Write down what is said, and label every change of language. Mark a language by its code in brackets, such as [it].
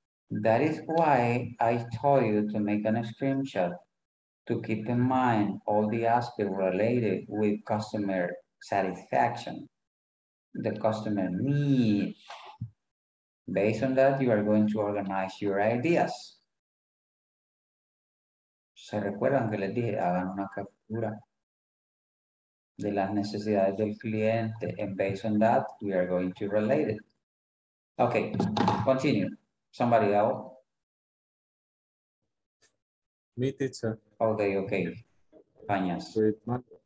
[en] That is why I told you to make an screenshot to keep in mind all the aspects related with customer satisfaction. The customer needs. Based on that, you are going to organize your ideas. [es] ¿Se recuerdan que les dije? Hagan una captura de las necesidades del cliente. [en] And based on that, we are going to relate it. Okay, continue. Somebody else? Me, teacher. Okay, okay. Pañas. Great, man.